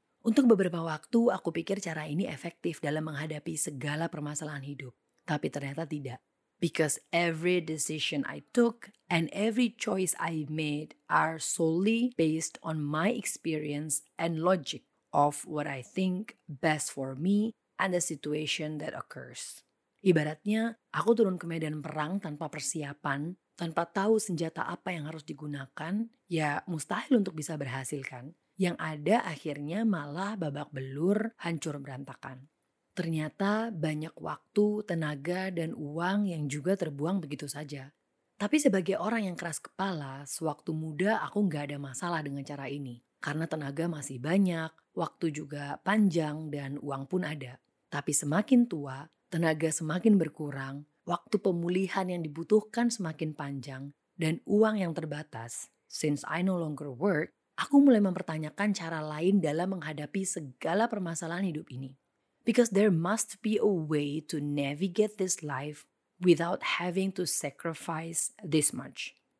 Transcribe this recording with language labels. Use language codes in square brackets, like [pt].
[id] Untuk beberapa waktu, aku pikir cara ini efektif dalam menghadapi segala permasalahan hidup. Tapi ternyata tidak. [en] Because every decision I took and every choice I made are solely based on my experience and logic of what I think best for me and the situation that occurs. [id] Ibaratnya, aku turun ke medan perang tanpa persiapan, tanpa tahu senjata apa yang harus digunakan, ya mustahil untuk bisa berhasil kan. Yang ada akhirnya malah babak belur, hancur berantakan. Ternyata banyak waktu, tenaga, dan uang yang juga terbuang begitu saja. Tapi sebagai orang yang keras kepala, sewaktu muda aku gak ada masalah dengan cara ini. Karena tenaga masih banyak, waktu juga panjang, dan uang pun ada. Tapi semakin tua, tenaga semakin berkurang, Waktu pemulihan yang dibutuhkan semakin panjang dan uang yang terbatas, since I no longer work, aku mulai mempertanyakan cara lain dalam menghadapi segala permasalahan hidup ini. [en] Because there must be a way to navigate this life without having to sacrifice this much.